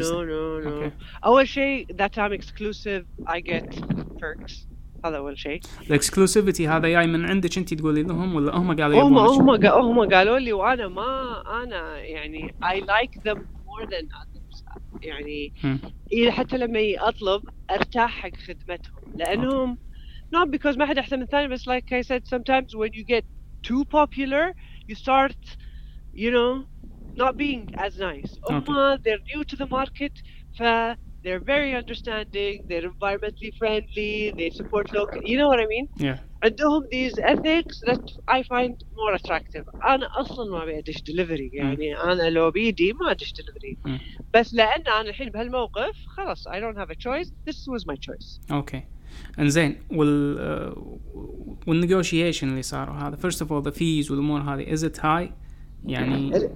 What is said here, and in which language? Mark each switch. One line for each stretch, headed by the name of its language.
English: No. Okay.
Arabic: أول شيء
English: that I'm exclusive, I get perks.
Arabic: هذا أول شيء.
English: The exclusivity
Arabic: هذا جاي من عندك أنت تقولي لهم ولا هم قالوا لي؟ هم قالوا لي, وأنا ما أنا يعني
English: I like them more than others.
Arabic: يعني إذا حتى لما أطلب أرتاح حق خدمتهم لأنهم okay.
English: Not because
Arabic: ما حد أحسن من الثاني,
English: بس like I said sometimes when you get too popular you start you know not being as nice. Okay. They're new to the market. They're very understanding, they're environmentally friendly, they support local, you know what I mean? Yeah. And they have these ethics that I find more attractive.
Arabic: أنا أصلاً ما بيديش delivery, يعني أنا لو بيدي ما أديش delivery. بس لأن أنا الحين بهالموقف, خلاص,
English: I don't have a choice, this was my choice. Okay.
Arabic: انزين والnegotiation اللي صار هذا,
English: first of all, the fees
Arabic: والأمور هذه,
English: is it high? يعني